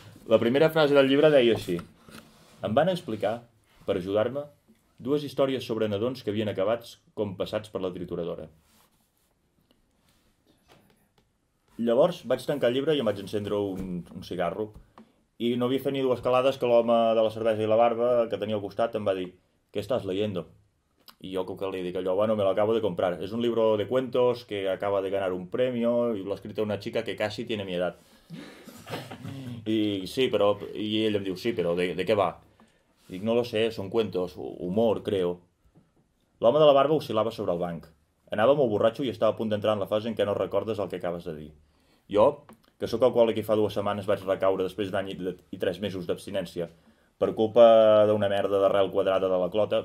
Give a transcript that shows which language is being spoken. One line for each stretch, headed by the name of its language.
Catalan: La primera frase del llibre deia així. Em van explicar, per ajudar-me, dues històries sobre nadons que havien acabat com passats per la trituradora. Llavors vaig tancar el llibre i em vaig encendre un cigarro. I no havia fet ni dues calades que l'home de la cervesa i la barba que tenia al costat em va dir
Spanish: «¿Qué estás leyendo?».
Catalan: I jo com que li dic allò, bueno,
Spanish: me lo acabo de comprar. És un libro de cuentos que acaba de ganar un premio y lo ha escrito una chica que casi tiene mi edad.
Catalan: I sí, però... I ell em diu, sí, però de què va? Dic,
Spanish: no lo sé,
Catalan: són
Spanish: cuentos, humor, creo.
Catalan: L'home de la barba oscil·lava sobre el banc. Anava molt borratxo i estava a punt d'entrar en la fase en què no recordes el que acabes de dir. Jo, que sóc alcohòlic i fa dues setmanes vaig recaure després d'un any i tres mesos d'abstinència, per culpa d'una merda d'arrel quadrada de la clota...